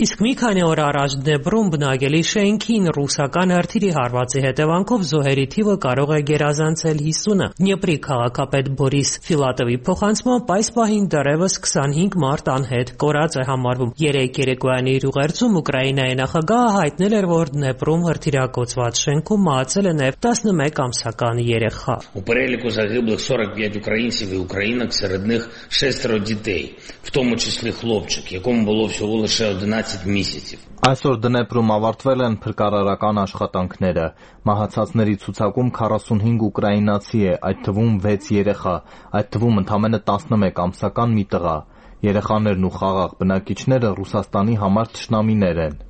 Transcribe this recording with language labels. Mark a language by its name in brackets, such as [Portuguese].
[Armenian] Իսկ մի քանի օր առաջ Դնեպրում բնակելի շենքին ռուսական արթիրի հարվածի հետևանքով զոհերի թիվը կարող է գերազանցել 50-ը։ Դնեպրի քաղաքապետ Բորիս Ֆիլատովի փոխանցմամբ այս պահին դեռևս 25 մարդ անհետ կորած է համարվում։ 3 երեկոյանի իր ուղերձում Ուկրաինայի նախագահը հայտնել էր, որ Դնեպրում հրթիրակոծված շենքում մահացել է նաև 11 ամսական երեխա։ [Ukrainian] У переліку загиблих 45 українців і українок, серед них шестеро дітей, в тому числі хлопчик, якому було всього лише 11 місяців. [Armenian] Այսօր Դնեպրում ավարտվել են փրկարարական աշխատանքները։ Մահացածների ցուցակում 45 ուկրաինացի է, այդ թվում 6 երեխա, այդ թվում ընդամենը 11 ամսական մի տղա։ Երեխաներն ու խաղաղ բնակիչները Ռուսաստանի համար ճշնամիներ են։